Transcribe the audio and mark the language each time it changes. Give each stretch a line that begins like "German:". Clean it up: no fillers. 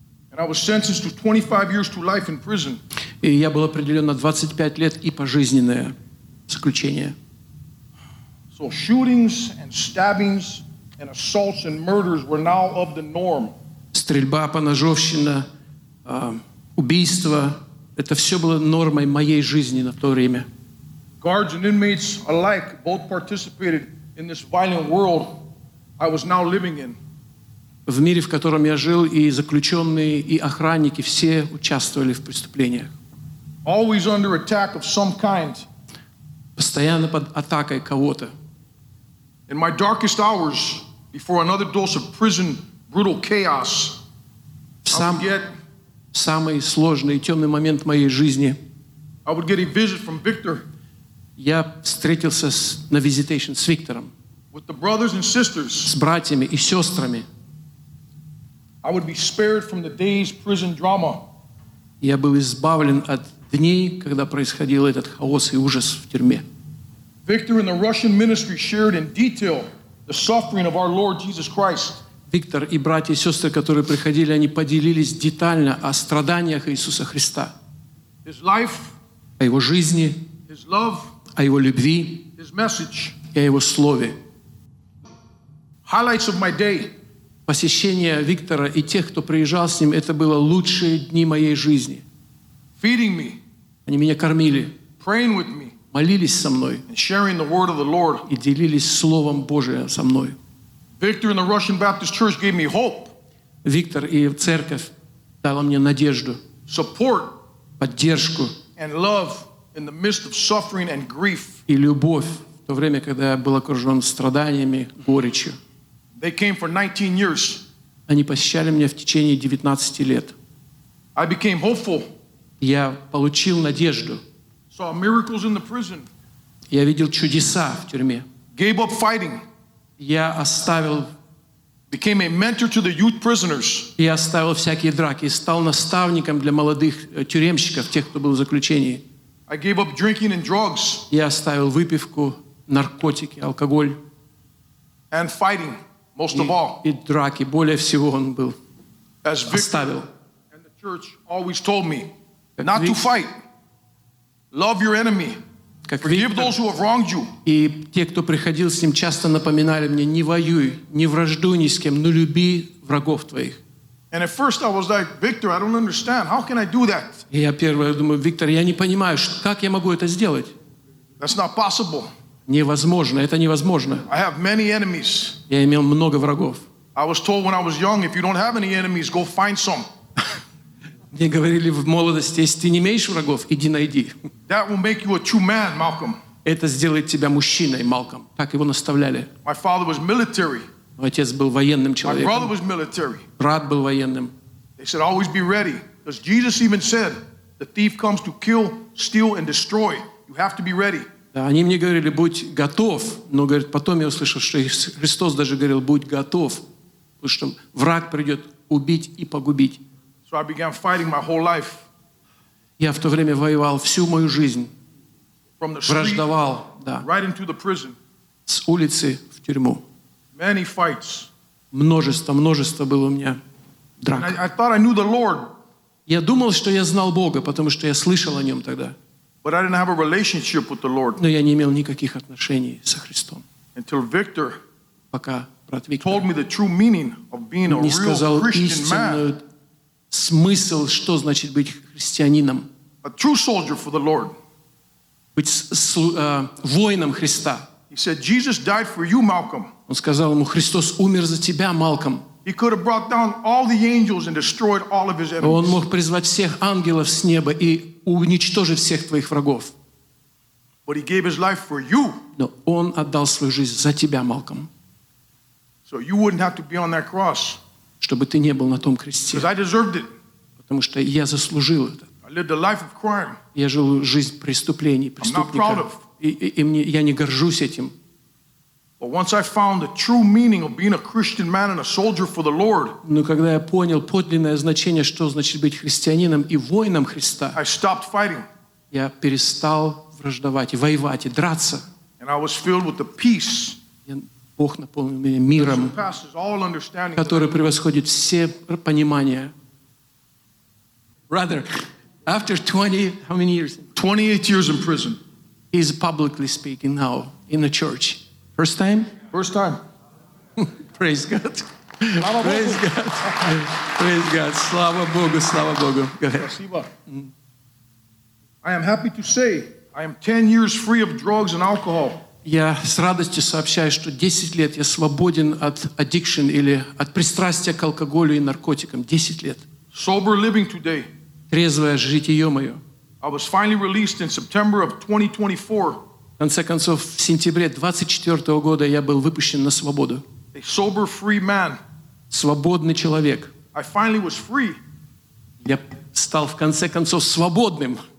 English: And I was sentenced to 25 years to life in prison.
Russian: И я был определен на 25 лет и пожизненное заключение.
English: So shootings and stabbings and assaults and murders were now of the norm.
Russian: Стрельба, поножовщина, убийства — это все было нормой моей жизни на то время.
English: Guards and inmates alike both participated in this violent world I was now living in.
Russian: В мире, в котором я жил, и заключенные, и охранники — все участвовали в преступлениях.
English: Always under attack of some kind.
Russian: Постоянно под атакой кого-то.
English: In my darkest hours, before another dose of prison brutal chaos.
Russian: В самый сложный и темный момент моей жизни.
English: I would get a visit from Victor.
Russian: Я встретился на visitation с Виктором.
English: With the brothers and sisters.
Russian: С братьями и сестрами.
English: I would be spared from the day's prison drama.
Russian: Я был избавлен от дней, когда происходил этот хаос и ужас в тюрьме.
English: Victor and the Russian ministry shared in detail the suffering of our Lord Jesus Christ.
Russian: Виктор и братья и сестры, которые приходили, они поделились детально о страданиях Иисуса Христа.
English: His life,
Russian: о его жизни,
English: his love,
Russian: о его любви,
English: his message,
Russian: и о его слове.
English: Highlights of my day.
Russian: Посещение Виктора и тех, кто приезжал с ним, это были лучшие дни моей жизни.
English: Feeding me,
Russian: они меня кормили,
English: praying with me,
Russian: молились со мной
English: and sharing the word of the Lord.
Russian: И делились Словом Божиим со мной.
English: Victor and the Russian Baptist Church gave me hope.
Russian: Виктор и церковь дала мне надежду.
English: Support.
Russian: Поддержку.
English: And love in the midst of suffering and grief.
Russian: И любовь в то время, когда я был окружён страданиями, горечью.
English: They came for 19 years.
Russian: Они посещали меня в течение 19 лет.
English: I became hopeful.
Russian: Я получил надежду.
English: Saw miracles in the prison.
Russian: Я видел чудеса в тюрьме.
English: Gave up fighting.
Russian: Я оставил.
English: Became a mentor to the youth prisoners.
Russian: Я оставил всякие драки и стал наставником для молодых тюремщиков, тех, кто был в заключении.
English: I gave up drinking and drugs.
Russian: Я оставил выпивку, наркотики, алкоголь.
English: And fighting, most of all.
Russian: И драки, более всего он был.
English: As
Russian: оставил.
English: Victor and the church always told me, not to fight. Love your enemy. Forgive those who have wronged you.
Russian: И те, кто приходил с ним, часто напоминали мне: не воюй, не враждуй ни с кем, но люби врагов твоих.
English: And at first I was like, Victor, I don't understand. How can I do that?
Russian: И я первое думаю: Виктор, я не понимаю, как я могу это сделать?
English: That's not possible.
Russian: Невозможно, это невозможно.
English: I have many enemies.
Russian: Я имел много врагов.
English: I was told when I was young, if you don't have any enemies, go find some.
Russian: Мне говорили в молодости: если ты не имеешь врагов, иди найди.
English: That will make you a true man, Malcolm.
Russian: Это сделает тебя мужчиной, Малком. Так его наставляли.
English: My father was military.
Russian: Мой отец был военным человеком.
English: My brother was military.
Russian: Брат был военным.
English: They said always be ready, because Jesus even said, the thief comes to kill, steal and destroy. You have to be ready.
Russian: Да, они мне говорили: будь готов. Но говорит, потом я услышал, что Христос даже говорил: будь готов, потому что враг придет убить и погубить.
English: So I began fighting my whole life.
Russian: Я в то время воевал всю мою жизнь.
English: From the
Russian: враждовал,
English: street,
Russian: да.
English: Right into the prison.
Russian: С улицы в тюрьму.
English: Many fights.
Russian: Множество было у меня драк.
English: I thought I knew the Lord.
Russian: Я думал, что я знал Бога, потому что я слышал о нем тогда.
English: But I didn't have a relationship with the Lord.
Russian: Но я не имел никаких отношений со Христом.
English: Until Victor,
Russian: пока брат Виктор
English: told me the true meaning of being a real Christian man.
Russian: Не сказал истинную смысл, что значит быть христианином.
English: A true soldier for the Lord.
Russian: Быть воином Христа.
English: He said, Jesus died for you, Malcolm.
Russian: Он сказал ему: Христос умер за тебя, Малком.
English: He could have brought down all the angels and destroyed all of his enemies.
Russian: Он мог призвать всех ангелов с неба и уничтожить всех твоих врагов.
English: But he gave his life for you.
Russian: Но он отдал свою жизнь за тебя, Малком.
English: So you wouldn't have to be on that cross.
Russian: Чтобы ты не был на том кресте.
English: Because I deserved it.
Russian: Потому что я заслужил это.
English: I lived a life of crime.
Russian: Я жил жизнь преступлений, преступника.
English: I'm not proud of.
Russian: И мне, я не горжусь этим.
English: But once I found the true meaning of being a Christian man and a soldier for the Lord.
Russian: Но когда я понял подлинное значение, что значит быть христианином и воином Христа.
English: I stopped fighting.
Russian: Я перестал враждовать и воевать и драться.
English: And I was filled with the peace.
Russian: Бог наполнил меня миром, который превосходит все понимания.
English: Brother, after 20, how many years? 28 years in prison. He's publicly speaking now in the church. First time? First time. Praise God.
Russian: Слава
English: Praise
Russian: Богу.
English: God. Praise God.
Russian: Слава Богу, слава Богу.
English: Go ahead.
Russian: Спасибо.
English: I am happy to say I am 10 years free of drugs and alcohol.
Russian: Я с радостью сообщаю, что 10 лет я свободен от addiction или от пристрастия к алкоголю и наркотикам. 10 лет.
English: Sober living today.
Russian: Трезвое житие мое.
English: I was finally released in September of 2024.
Russian: В конце концов, в сентябре 2024 года я был выпущен на свободу.
English: A sober, free man.
Russian: Свободный человек.
English: I finally was free.
Russian: Я стал в конце концов свободным.